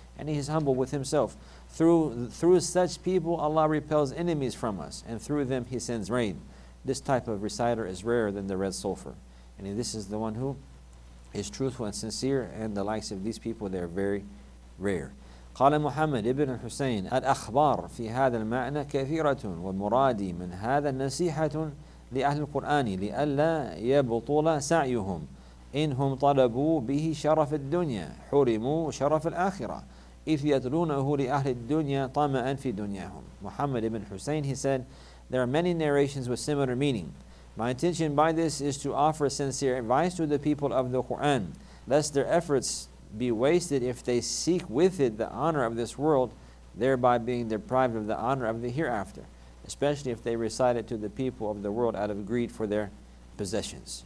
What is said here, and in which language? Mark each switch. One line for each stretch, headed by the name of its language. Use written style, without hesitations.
English: And he is humble with himself. Through such people, Allah repels enemies from us, and through them he sends rain. This type of reciter is rarer than the red sulfur. And this is the one who is truthful and sincere, and the likes of these people, they are very rare.
Arabic: قال محمد ابن حسين الأخبار في هذا المعنى كثيرة والمرادي من هذا النصيحة لأهل القرآن لئلا يبطل سعيهم إنهم طلبوا به شرف الدنيا حرموا شرف الآخرة إذ يتلونه لأهل الدنيا طمعا في دنياهم.
English: محمد ابن حسين, he said, there are many narrations with similar meaning. My intention by this is to offer sincere advice to the people of the Quran, lest their efforts be wasted if they seek with it the honor of this world, thereby being deprived of the honor of the hereafter, especially if they recite it to the people of the world out of greed for their possessions.